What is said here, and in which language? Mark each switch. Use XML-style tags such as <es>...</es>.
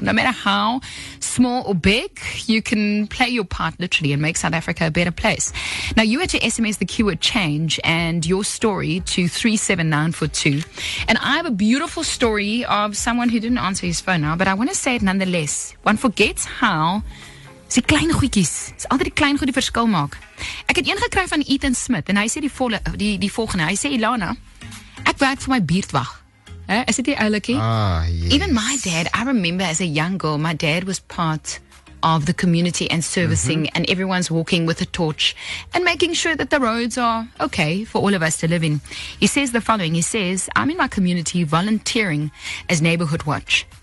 <en>No matter how small or big, you can play your part literally and make South Africa a better place. Now, you had to SMS the keyword change and your story to 37942. And I have a beautiful story of someone who didn't answer his phone now, but I want to say it nonetheless. One forgets how</en> <af>die klein goedjies, is altyd die klein goed die verskil maak. Ek het een gekry van Ethan Smith en hy sê die volgende, hy sê Elana, ek werk vir my buurtwag. Is dit die oulikie?</af> <en>Even my dad, I remember as a young girl, my dad was part of the community and servicing and everyone's walking with a torch and making sure that the roads are okay for all of us to live in. He says the following. He says, I'm in my community volunteering as neighborhood watch.</en>